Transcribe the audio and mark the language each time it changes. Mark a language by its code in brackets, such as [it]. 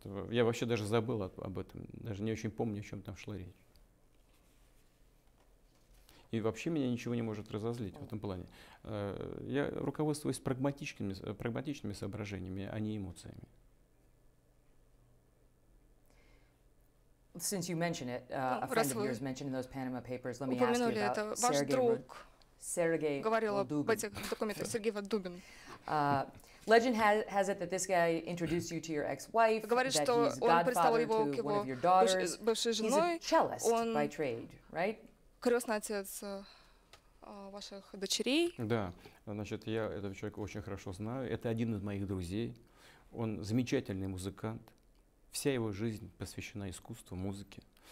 [ru] Я вообще даже забыл об этом. Даже не очень помню, о чем там шла речь. И вообще меня ничего не может разозлить в этом плане. Я руководствуюсь прагматичными соображениями, а не эмоциями. [en] Since you mentioned it, a friend of yours mentioned in those Panama Papers. Let me ask you about Sergey. [ru] Говорил об этих документах Сергей Воддубин. [en] Legend has it that this guy introduced you to your ex-wife. [ru] Говорит, что он представил его к его бывшей жене. [en] He's a cellist by trade, right? [ru] Крестный отец ваших дочерей. Да, значит, я этого человека очень хорошо знаю. Это один из моих друзей. Он замечательный музыкант. Вся его жизнь посвящена искусству, музыке.